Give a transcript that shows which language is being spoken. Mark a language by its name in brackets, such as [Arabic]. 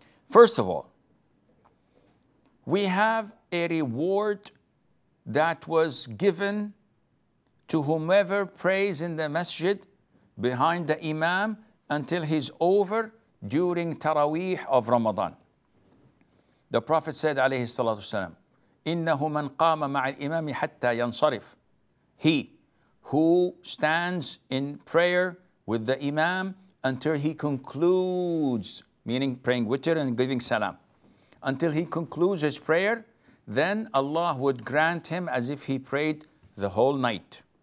[English] First of all, we have a reward that was given to whomever prays in the masjid behind the imam until he's over during Taraweeh of Ramadan. The Prophet said, [Arabic] alayhi salatu wasalam, إِنَّهُ مَنْ قَامَ مَعَ الْإِمَامِ حَتَّى يَنْصَرِفْ. [English] He who stands in prayer with the imam until he concludes, meaning praying witr and giving salam, until he concludes his prayer, then Allah would grant him as if he prayed the whole night.